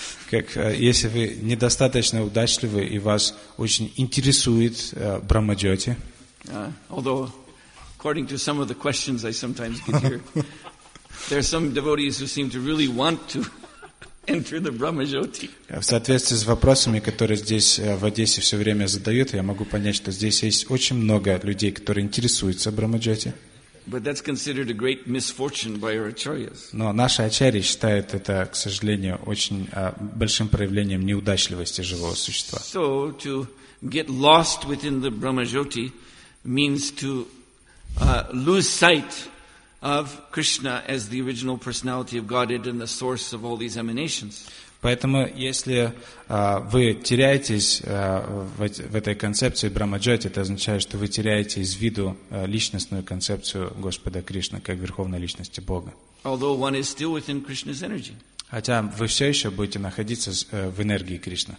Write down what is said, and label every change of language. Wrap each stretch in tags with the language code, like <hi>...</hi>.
<ru>как если вы недостаточно удачливы и вас очень интересует Брахма Джоти.</ru> <en>Although, according to some of the questions I sometimes get here, there are some devotees who seem to really want to enter the Brahma Jyoti.</en> <ru>В соответствии с вопросами, которые здесь в Одессе все время задают, я могу понять, что здесь есть очень много людей, которые интересуются Брахма Джоти.</ru> <en>But that's considered a great misfortune by our acharyas.</en> <ru>Но наши ачарьи считают это, к сожалению, очень большим проявлением неудачливости живого существа.</ru> <en>So to get lost within the Brahma Jyoti means to lose sight of Krishna as the original personality of Godhead and the source of all these emanations.</en> <ru>Поэтому, если вы теряетесь в этой концепции Брахма-джоти, это означает, что вы теряете из виду личностную концепцию Господа Кришны как Верховной Личности Бога.</ru> <en>Although one is still within Krishna's energy.</en> <ru>Хотя вы все еще будете находиться в энергии Кришны.</ru>